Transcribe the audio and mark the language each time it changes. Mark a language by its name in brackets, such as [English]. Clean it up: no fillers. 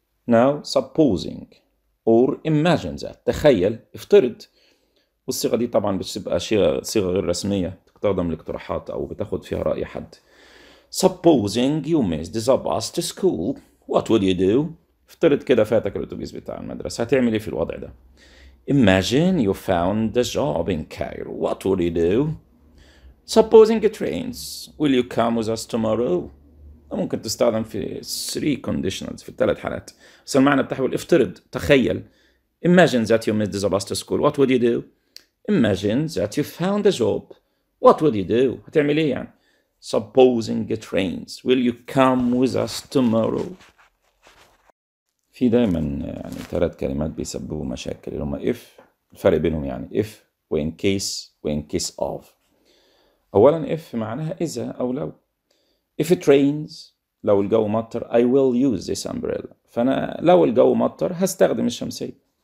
[English] now supposing or imagine that [Arabic] تخيل افترض والصيغة دي طبعا بتبقى صيغة غير رسمية تقدم الاقتراحات او بتاخد فيها رأي حد [English] supposing you missed the bus to school what would you do [Arabic] افترض كده فاتك الاتوبيس بتاع المدرسة هتعمل ايه في الوضع ده [English] Imagine you found a job in Cairo. What would you do? Supposing it rains, will you come with us tomorrow? [Arabic] ممكن تستخدم في [English] three conditionals [Arabic] في ثلاث حالات. بس المعنى بتحول افترض تخيل. [English] Imagine that you missed the bus to school. What would you do? Imagine that you found a job. What would you do? [Arabic] هتعمل ايه يعني? [English] Supposing it rains, will you come with us tomorrow? [Arabic] في دايما يعني ثلاث كلمات بيسببوا مشاكل اللي هما if الفرق بينهم يعني if و in case و in case of. أولا if معناها إذا أو لو. [English] If it rains [Arabic] لو الجو مطر [English] I will use this umbrella، [Arabic] فأنا لو الجو مطر هستخدم الشمسية.